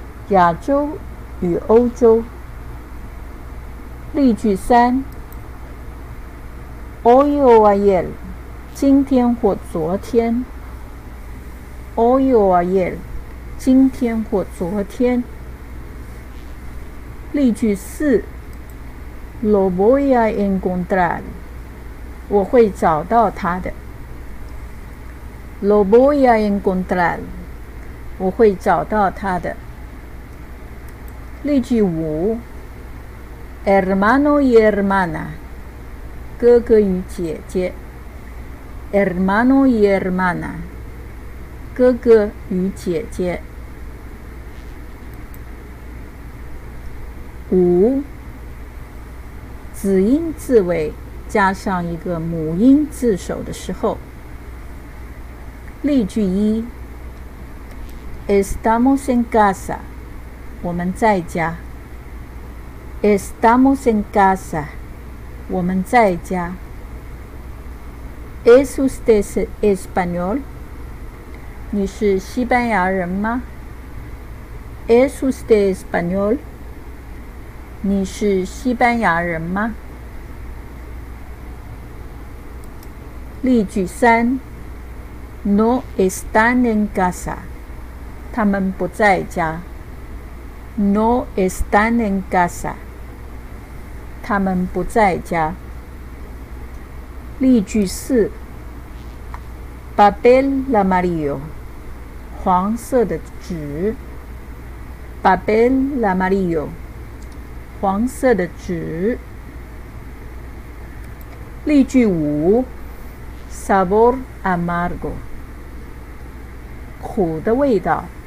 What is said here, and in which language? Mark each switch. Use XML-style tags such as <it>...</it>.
<zh>亚洲与欧洲。例句三</zh> <es>：Hoy o ayer。</es> <zh>今天或昨天。</zh> <es>Hoy o ayer，</es> <zh>今天或昨天。例句四 ，</zh> <es>Lo voy a encontrar，</es> <zh>我会找到他的。</zh> <es>Lo voy a encontrar，</es> <zh>我会找到他的。例句五 ，</zh> <es>Hermano y hermana，</es> <zh>哥哥与姐姐。</zh> <es>Hermano y hermana。</es> <zh>哥哥与姐姐。五，子音字尾加上一个母音字首的时候。例句一 ：</zh> <es>Estamos en casa，</es> <zh>我们在家。</zh> <es>Estamos en casa，</es> <zh>我们在家。</zh> <es>¿Es usted español？</es> <zh>你是西班牙人吗 ？</zh> <es>¿Es usted español？</es> <zh>你是西班牙人吗？例句三 ：</zh> <es>No están en casa，</es> <zh>他们不在家。</zh> <es>No están en casa，</es> <zh>他们不在家。例句四</zh> <es>：Papel amarillo。</es> <zh>黄色的纸。</zh> <es>Papel amarillo，</es> <zh>黄色的纸。例句五 ，</zh> <es>sabor amargo，</es> <zh>苦的味道。</zh>